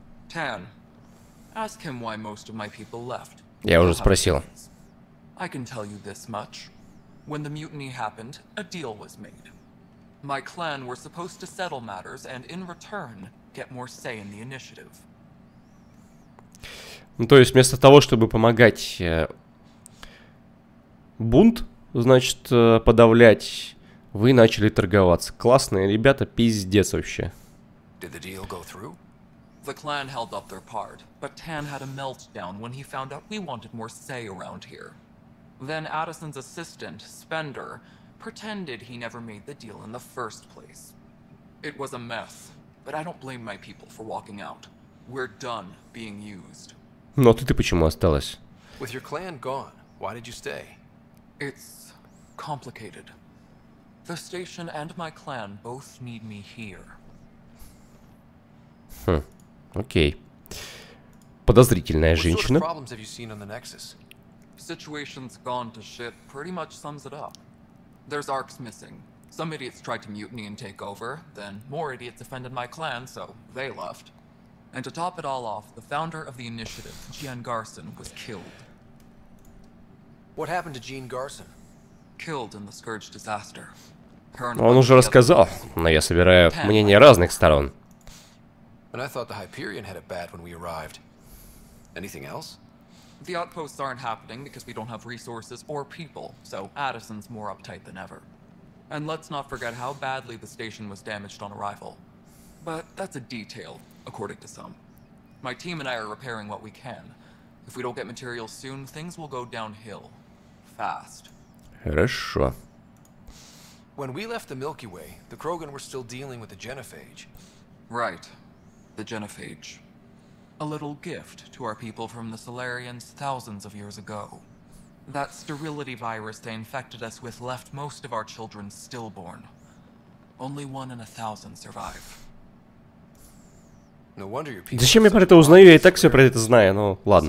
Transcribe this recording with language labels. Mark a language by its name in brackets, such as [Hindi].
[English] Tan, ask him why most of my people left. [Russian] Я уже спросил. [English] I can tell you this much. When the mutiny happened, a deal was made. My clan were supposed to settle matters and in return get more say in the initiative. [Russian] Ну, то есть, вместо того, чтобы помогать бунт, значит, подавлять, вы начали торговаться. Классные ребята, пиздец вообще. [English] Did the deal go through? The clan held up their part, but Tan had a meltdown when he found out we wanted more say around here. Then Addison's assistant, Spender, pretended he never made the deal in the first place. It was a mess, but I don't blame my people for walking out. We're done being used. [Russian] Ну, а ты почему осталась? [English] With your clan gone, why did you stay? It's complicated. The station and my clan both need me here. [Russian] Хм, окей. Подозрительная женщина. [English] What sort of problems have you seen on the Nexus? Situation's gone to shit pretty much sums it up. There's arcs missing. Some idiots tried to mutiny and take over, then more idiots offended my clan, so they left. And to top it all off, the founder of the initiative, Jean Garson, was killed. What happened to Jean Garson? Killed in the Scourge disaster. [Russian] Он уже рассказал, но я собираю мнение разных сторон. [English] And I thought the Hyperion had it bad when we arrived. Anything else? The outposts aren't happening because we don't have resources or people, so Addison's more uptight than ever. And let's not forget how badly the station was damaged on arrival. But that's a detail. According to some. My team and I are repairing what we can. If we don't get materials soon, things will go downhill. Fast. [Russian] Хорошо. [English] When we left the Milky Way, the Кроган were still dealing with the Genophage. Right. The Genophage. A little gift to our people from the Solarians thousands of years ago. That sterility virus they infected us with left most of our children stillborn. Only one in a thousand survive. [Russian] Зачем я про это узнаю? Я и так все про это знаю, но ладно.